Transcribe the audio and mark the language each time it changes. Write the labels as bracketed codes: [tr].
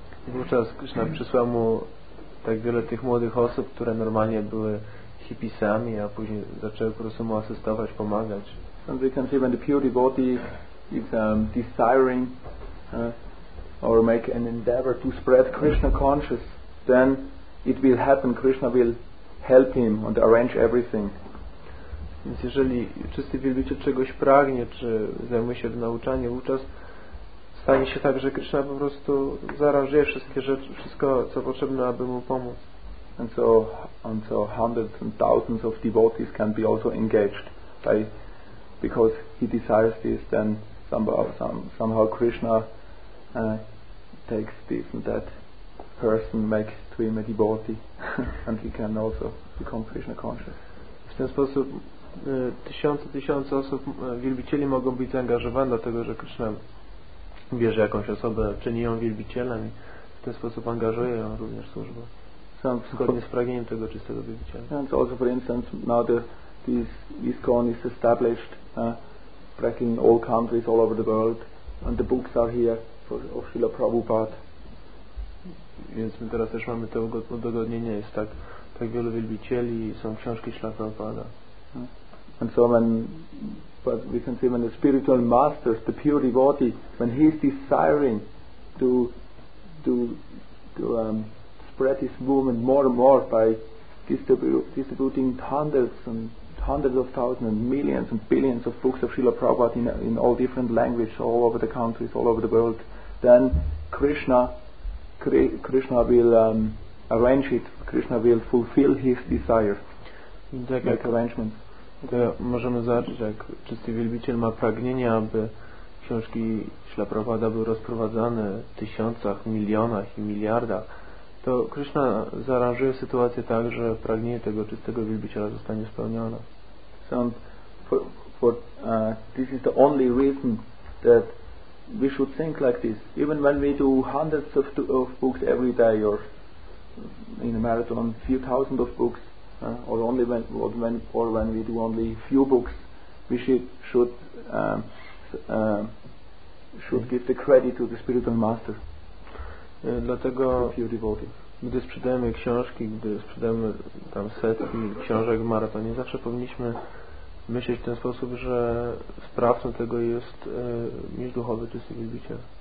[pl] Wówczas Krishna przysłał mu tak wiele tych młodych osób, które normalnie były hippisami, a później zaczęły po prostu mu asystować, pomagać. [en] And we can see when the pure devotee is desiring or make an endeavor to spread Krishna consciousness, then it will happen. Krishna will help him and arrange everything. [pl] Więc jeżeli czysty wielbiciel czegoś pragnie, czy zajmuje się w nauczaniu, wówczas stanie się tak, że Krishna po prostu zaaranżuje wszystkie rzeczy, wszystko co potrzebne, aby mu pomóc. [en] And so hundreds and thousands of devotees can be also engaged by, because he desires this, then somehow Krishna takes this and that person, makes to him a devotee and he can also become Krishna conscious. [pl] W ten sposób tysiące osób, wielbicieli, mogą być zaangażowane, dlatego że Krishna bierze jakąś osobę, czyni ją wielbicielem i w ten sposób angażuje ją również w służbę. Zgodnie z pragnieniem tego czystego wielbiciela. [en] And so also for instance, now this ISKCON is established, tracking all countries all over the world, and the books are here for Srila Prabhupada. [pl] Więc my teraz też mamy to udogodnienie, jest tak wielu wielbicieli, są książki Srila Prabhupada. [en] And so but we can see when the spiritual masters, the pure devotee, when he is desiring to spread his movement more and more by distributing hundreds and hundreds of thousands and billions of books of Srila Prabhupada in all different languages, all over the countries, all over the world, then Krishna will arrange it. Krishna will fulfill his desire. [pl] Tak [en] make arrangements. [pl] Możemy zobaczyć, jak czysty wielbiciel ma pragnienie, aby książki Śla Prabhupada były rozprowadzane w tysiącach, milionach i miliardach, to Krishna zaaranżuje sytuację tak, że pragnienie tego czystego wielbiciela zostanie spełnione. [en] So this is the only reason that we should think like this. Even when we do hundreds of books every day, or in a marathon, few thousand of books, or when we do only few books, we should give the credit to the spiritual master. [pl] Dlatego gdy sprzedajemy książki, gdy sprzedajemy tam setki książek w maratonie, zawsze powinniśmy myśleć w ten sposób, że sprawcą tego jest mistrz duchowy, czysty wielbiciel.